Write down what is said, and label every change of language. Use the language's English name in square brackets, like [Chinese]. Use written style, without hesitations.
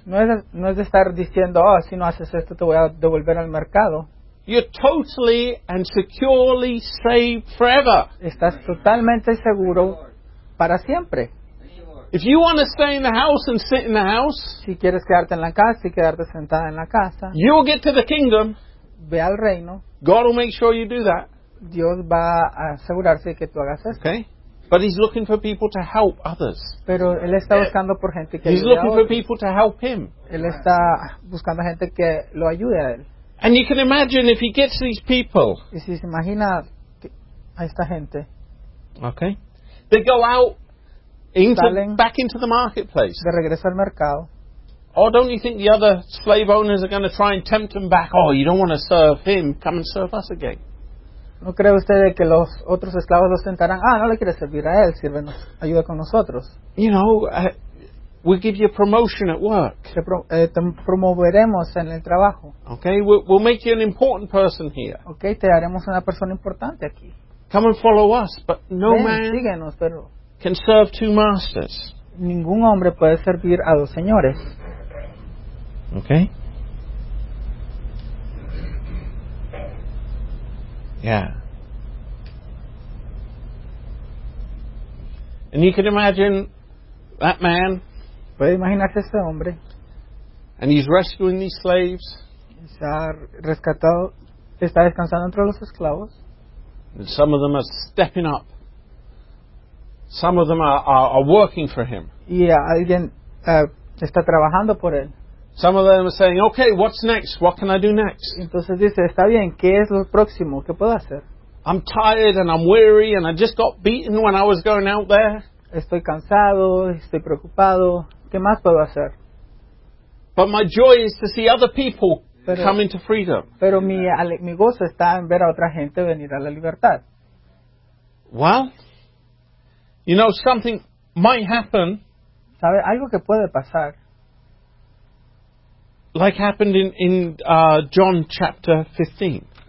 [Spanish] No es de estar diciendo, oh, si no haces esto te voy a devolver al mercado. [English] You're totally and securely saved forever. [Spanish] Estás totalmente seguro para siempre. [English] If you want to stay in the house and sit in the house, [Spanish] si quieres quedarte en la casa y quedarte sentada en la casa, [English] you'll get to the kingdom. [Spanish] Ve al reino. [English] God will make sure you do that. [Spanish] Dios va a asegurarse que tú hagas eso. [English] Okay, but He's looking for people to help others. [Spanish] Pero él está buscando por gente que [English] He's looking for people to help him. [Spanish] Él está buscando gente que lo ayude a él. [English] And you can imagine if He gets these people. [Spanish] Y si se imagina a esta gente. [English] Okay, they go out. Back into the marketplace. [Spanish] De regreso al mercado. [English] Oh, don't you think the other slave owners are going to try and tempt them back? Oh, you don't want to serve him. Come and serve us again. [Spanish] ¿No cree usted que los otros esclavos los tentarán? Ah, no le quiere servir a él. Sírvenos. Ayuda con nosotros. [English] You know, we'll give you a promotion at work. [Spanish] Te promoveremos en el trabajo. [English] Okay, we'll make you an important person here. [Spanish] Okay, te haremos una persona importante aquí. [English] Come and follow us, but no [Spanish] Ven, [English] man. [Spanish] Síguenos, pero. [English] Can serve two masters. [Spanish] ningún hombre puede servir a dos señores. [English] Okay. Yeah. And you can imagine that man. [Spanish] ¿Puede imaginarse ese hombre? [English] And he's rescuing these slaves. [Spanish] Se ha rescatado, está descansando entre los esclavos. [English] And some of them are stepping up. Some of them are working for him. [Spanish] Y alguien está trabajando por él. [English] Some of them are saying, okay, what's next? What can I do next? [Spanish] Entonces dice, está bien, ¿qué es lo próximo? ¿Qué puedo hacer? [English] I'm tired and I'm weary and I just got beaten when I was going out there. [Spanish] Estoy cansado, estoy preocupado. ¿Qué más puedo hacer? [English] But my joy is to see other people come into freedom. [Spanish] Pero mi gozo está en ver a otra gente venir a la libertad. [English] Well, you know, something might happen. [Spanish] ¿Sabe? Algo que puede pasar. [English] Like happened in John chapter 15.